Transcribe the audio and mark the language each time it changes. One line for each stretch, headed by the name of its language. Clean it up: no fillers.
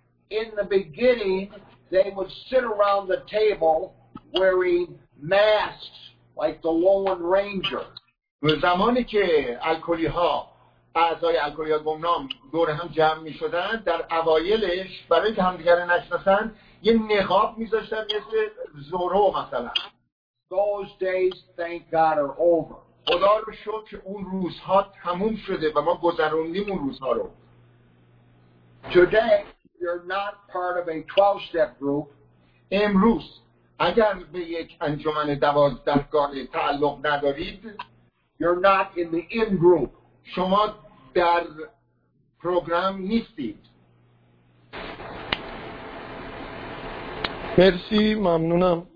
English: In the beginning, they would sit around the table wearing masks like the Lone Ranger.
Persian: زمانی که الکلی ها اعضای الگوریا گمنام دور هم جمع می شدن، در اوایلش برای که همدیگر نشناسن یه نقاب می زاشتن مثل زورو مثلا.
English: Those days, thank God, are over.
Persian: خدا رو شد که اون روزها تموم شده و ما گذروندیم اون روزها رو.
English: Today, you're not part of a 12-step group.
Persian: امروز اگر به یک انجمن دوازدهگانه تعلق ندارید،
English: you're not in the in group.
Persian: شما در پروگرام نیستید. مرسی، ممنونم.